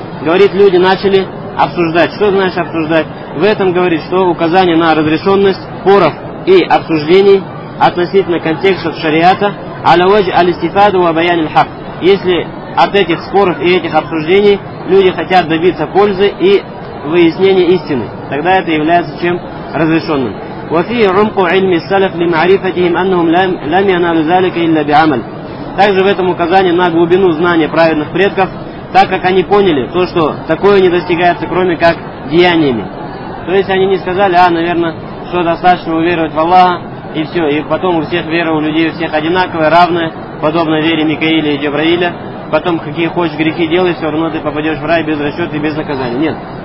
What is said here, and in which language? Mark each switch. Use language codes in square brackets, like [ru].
[ru] Говорит, люди начали обсуждать. Что значит обсуждать? В этом говорит, что указание на разрешенность споров и обсуждений относительно контекста шариата [ar] «Аля-вадж аль-истифаду ва-баян аль-хак». [ru] Если от этих споров и этих обсуждений люди хотят добиться пользы и выяснения истины, тогда это является чем? Разрешенным. [ar] وفيه عمق علم السلف لمعرفتهم انهم لم ينالوا ذلك الا بعمل. [ru] Также в этом указание на глубину знания праведных предков, так как они поняли то, что такое не достигается, кроме как деяниями. То есть они не сказали, а, наверное, что достаточно уверовать в Аллаха и все, и потом у всех вера у людей у всех одинаковая, равная, подобно вере Микаиля и Джабраиля, потом какие хочешь грехи делай, все равно ты попадешь в рай без расчета и без наказания. Нет.